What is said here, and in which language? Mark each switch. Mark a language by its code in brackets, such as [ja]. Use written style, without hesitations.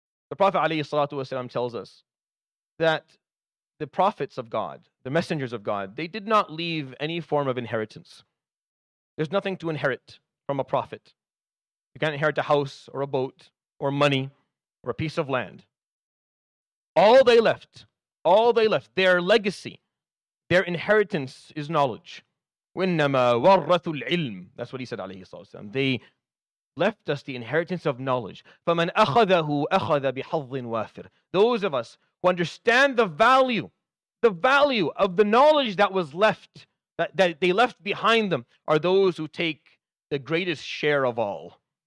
[en] The Prophet alayhi salatu wasalam tells us that the prophets of God, the messengers of God, they did not leave any form of inheritance. There's nothing to inherit from a prophet. You can't inherit a house or a boat or money or a piece of land. All they left, their legacy, their inheritance is knowledge. [ar] وَإِنَّمَا وَرَّثُ الْعِلْمِ [en] That's what he said, [ar] عليه الصلاة والسلام. [en] They left us the inheritance of knowledge. [ar] فَمَنْ أَخَذَهُ أَخَذَ بِحَظٍ وَافِرٍ [en] Those of us who understand the value of the knowledge that was left, that they left behind them, are those who take the greatest share of all.